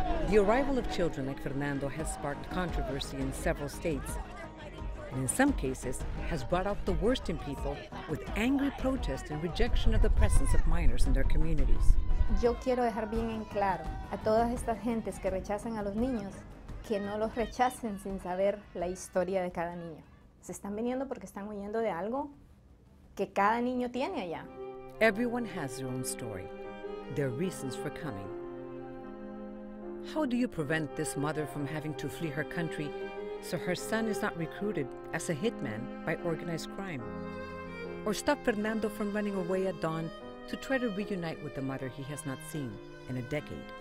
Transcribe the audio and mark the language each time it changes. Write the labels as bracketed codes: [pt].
[en] The arrival of children like Fernando has sparked controversy in several states, and in some cases has brought out the worst in people with angry protest and rejection of the presence of minors in their communities. [es] Yo quiero dejar bien en claro a todas estas gentes que rechazan a los niños, que no los rechacen sin saber la historia de cada niño. Se están viniendo porque están huyendo de algo que cada niño tiene allá. [en] Everyone has their own story, their reasons for coming. How do you prevent this mother from having to flee her country so her son is not recruited as a hitman by organized crime? Or stop Fernando from running away at dawn to try to reunite with the mother he has not seen in a decade?